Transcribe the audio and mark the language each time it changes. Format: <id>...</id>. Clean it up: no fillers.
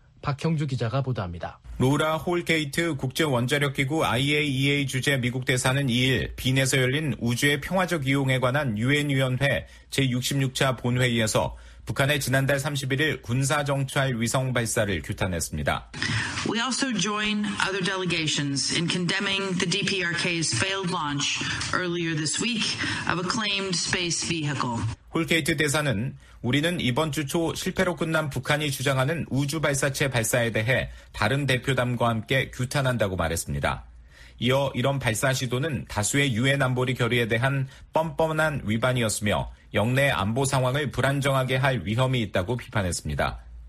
<ko>박형주 기자가 보도합니다. 로라 홀게이트 국제원자력기구 IAEA 주재 미국 대사는 2일 빈에서 열린 우주의 평화적 이용에 관한 유엔위원회 제66차 본회의에서 북한의 지난달 31일 군사 정찰 위성 발사를 규탄했습니다.</ko> <en>We also join other delegations in condemning the DPRK's failed launch earlier this week of a claimed space vehicle.</en> <ko>홀케이트 대사는 우리는 이번 주 초 실패로 끝난 북한이 주장하는 우주 발사체 발사에 대해 다른 대표단과 함께 규탄한다고 말했습니다. 이어 이런 발사 시도는 다수의 유엔 안보리 결의에 대한 뻔뻔한 위반이었으며 영내 안보 상황을 불안정하게 할 위험이 있다고 비판했습니다.</ko>